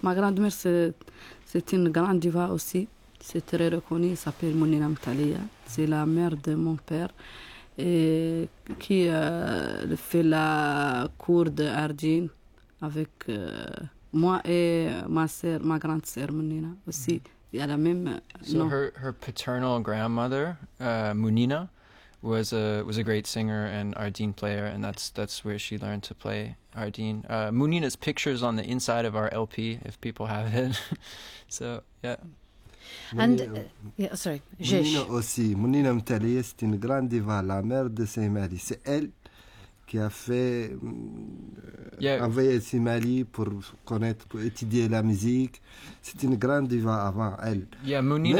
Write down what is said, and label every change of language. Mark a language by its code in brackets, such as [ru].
[fr] Ma grand-mère, c'est une grande diva aussi. C'est très reconnu. Elle s'appelle Mounira Mtalia. C'est la mère de mon père et qui fait la cour de ardine avec moi et ma sœur, ma grande sœur Mounira aussi. Il y a la même nom. [en] So her paternal grandmother, Mounira, was a great singer and ardine player, and that's where she learned to play ardine. Munina's picture is on the inside of our LP if people have it. So yeah. And yeah, sorry, Jish. [fr] Munina aussi. Munina Mtali est une grande diva, la mère de Simali. C'est elle qui a fait envoyer Simali pour connaître, pour étudier la musique. C'est une grande diva avant elle. [en] Yeah, Munina